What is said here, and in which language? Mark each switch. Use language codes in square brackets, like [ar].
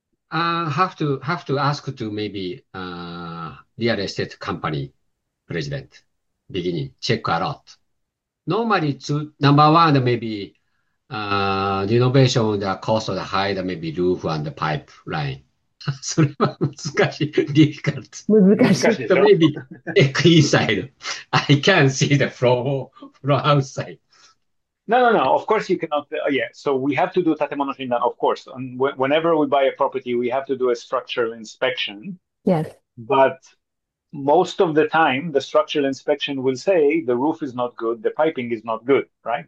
[en] Have to ask to maybe real estate company president. Beginning, check a lot. Normally, number one, maybe renovation, the cost of the height, maybe roof and the pipe line. [ja] それは難しい、difficult. 難しいでしょ? [en] Maybe inside. I can't see the floor from outside. No. Of course, you cannot. So we have to do [ja] tatemono shindan, [en] of course. And whenever we buy a property, we have to do a structural inspection. Yes. But most of the time, the structural inspection will say the roof is not good, the piping is not good, right?